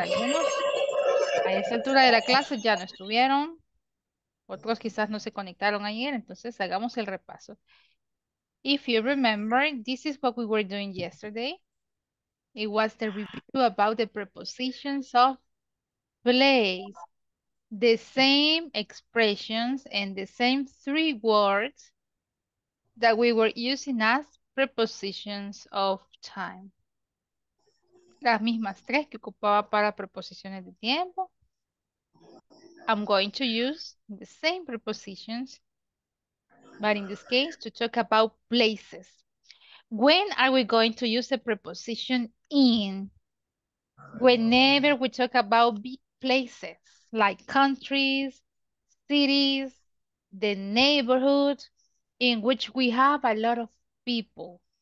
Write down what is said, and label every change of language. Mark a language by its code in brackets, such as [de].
[es] Algunos a esa altura de la clase ya no estuvieron. Otros quizás no se conectaron ayer. Entonces hagamos el repaso. [en] If you remember, this is what we were doing yesterday. It was the review about the prepositions of place. The same expressions and the same three words that we were using as prepositions of time. [es] Las mismas tres que ocupaba para preposiciones de tiempo. [en] I'm going to use the same prepositions, but in this case, to talk about places. When are we going to use the preposition in? Whenever we talk about big places, like countries, cities, the neighborhood, in which we have a lot of people.